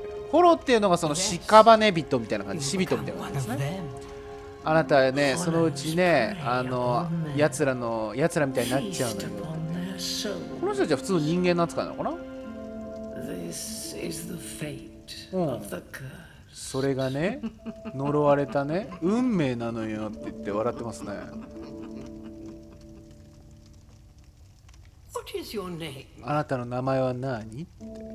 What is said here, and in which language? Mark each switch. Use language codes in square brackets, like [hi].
[ja] ホローっていうのがその屍人みたいな感じ、死人みたいな感じですね。あなたはねそのうちね、やつらのやつらみたいになっちゃうのよ。この人たちは普通の人間の扱いなのかな。 [en] This is the fate of the curse. [ja] それがね呪われたね運命なのよって言って笑ってますね。 [en] What is your name? [ja] あなたの名前は何って。